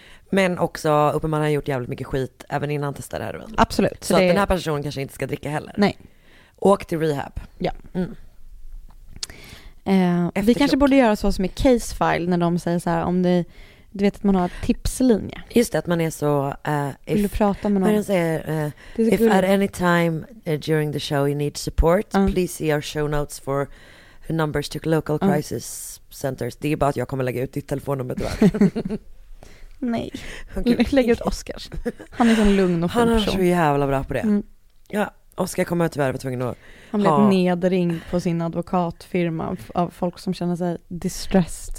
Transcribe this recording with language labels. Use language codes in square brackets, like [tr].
[sv] Men också uppenbarligen har gjort jävligt mycket skit även innan han testade heroin. Absolut. Så det... att den här personen kanske inte ska dricka heller. Nej. Åk till rehab. Ja. Mm. Vi kanske borde göra så som i case file när de säger så här, om det, du vet att man har tipslinje. Just det, att man är så vill du prata med någon? Man säger, [en] if cool. At any time during the show you need support, please see our show notes for numbers to local crisis centers. [sv] Det är bara att jag kommer lägga ut ditt telefonnummer tyvärr. Nej. Lägg ut Oscar. Han är så lugn och fin person. Han är så jävla bra på det. Mm. Ja, Oscar kommer tyvärr vara tvungen att han blev nedringd på sin advokatfirma av folk som känner sig distressed.